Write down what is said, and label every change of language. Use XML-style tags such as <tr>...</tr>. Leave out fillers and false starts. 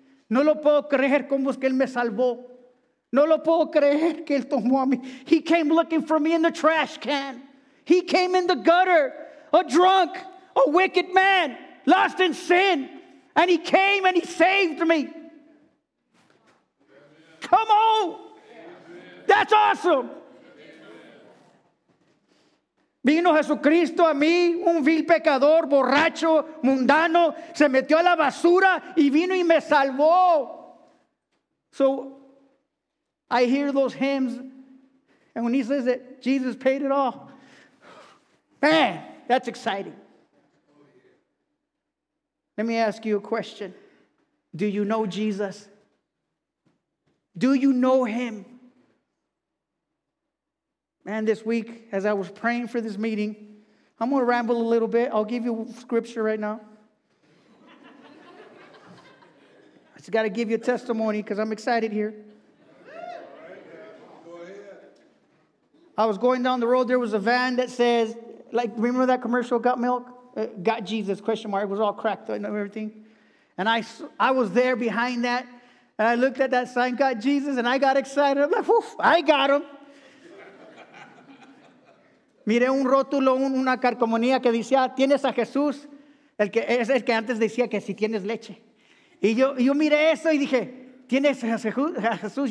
<es>No lo puedo creer como es que él me salvó. No lo puedo creer que él tomó a mí.</es> <en>He came looking for me in the trash can. He came in the gutter. A drunk, a wicked man, lost in sin. And he came and he saved me. Come on. That's awesome.</en> <es>Vino Jesucristo a mí, un vil pecador, borracho, mundano. Se metió a la basura y vino y me salvó.</es> <en>So I hear those hymns. And when he says that Jesus paid it all. Man. That's exciting. Let me ask you a question. Do you know Jesus? Do you know him? Man, this week, as I was praying for this meeting, I'm going to ramble a little bit. I'll give you scripture right now. I just got to give you a testimony because I'm excited here. I was going down the road. There was a van that says, like, remember that commercial, Got Milk? Got Jesus, ? It was all cracked and everything. And I was there behind that. And I looked at that sign, Got Jesus, and I got excited. I'm like, oof, I got him.</en> <es>Miré un rótulo, una carcomonía que decía, tienes a Jesús. El que es el que antes decía que si tienes leche. Y yo miré eso y dije, tienes a Jesús.</es>